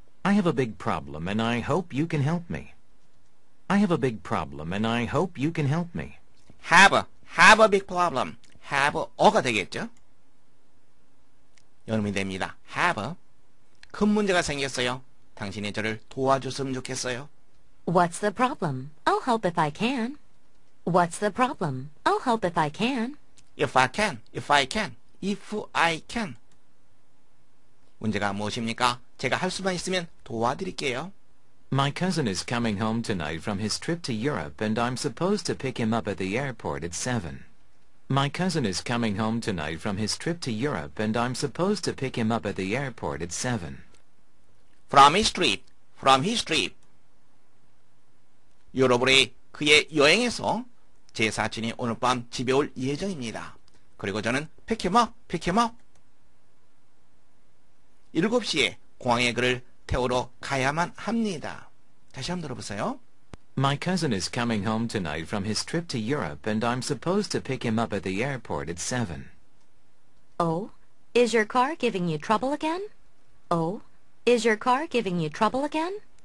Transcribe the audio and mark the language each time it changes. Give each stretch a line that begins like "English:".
English: I have a big problem, and I hope you can help me. I have a big problem, and I hope you can help me. Have a big problem. Have a
Korean: 어가 되겠죠? 여러분이 됩니다.
English: Have a
Korean: 큰 문제가 생겼어요. 당신이 저를 도와줬으면 좋겠어요.
English: What's the problem? I'll help if I can. What's the problem? I'll help if I can. If I can, if I can, if I can.
Korean: 문제가 무엇입니까? 제가 할 수만 있으면 도와드릴게요.
English: My cousin is coming home tonight from his trip to Europe, and I'm supposed to pick him up at the airport at 7. My cousin is coming home tonight from his trip to Europe, and I'm supposed to pick him up at the airport at 7. From his trip.
Korean: 여러분이 그의 여행에서 제 사촌이 오늘 밤 집에 올 예정입니다. 그리고 저는
English: pick him up.
Korean: 7시에 공항에 그를 태우러 가야만 합니다. 다시 한번 들어보세요.
English: My cousin is coming home tonight from his trip to Europe, and I'm supposed to pick him up at the airport at 7. Oh, is your car giving you trouble again? Oh, is your car giving you trouble again?